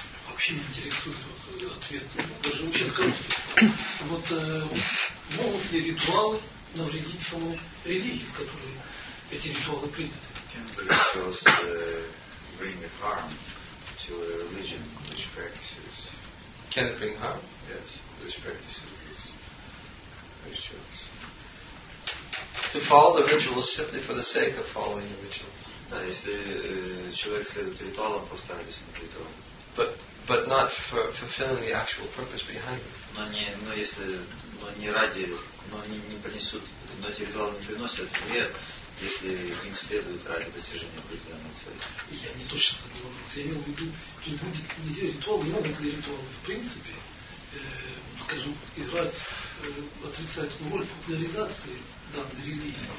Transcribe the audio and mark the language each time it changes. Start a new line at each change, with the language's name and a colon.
Russian: Вообще не интересует ответ. Даже очень короткий. Вот могут ли ритуалы навредить самой религии, в которой эти ритуалы приняты?
English: Can rituals bring harm to a religion which practices? Can it bring harm? Yes, which practices these rituals. To follow the rituals simply for the sake of following the rituals.
Russian: Да, если человек следует ритуалам, просто ради самих ритуалов.
English: But not for fulfilling the actual purpose behind it.
Russian: Но не, но если, но не ради, но они не принесут, но эти ритуалы не приносят вред, если им следует ради достижения определенной цели. Я не точно так говорю. Я имел в виду, не будет ли ритуал, не могут ли ритуалы в принципе, скажу, играть отрицательную роль в популяризации данной религии.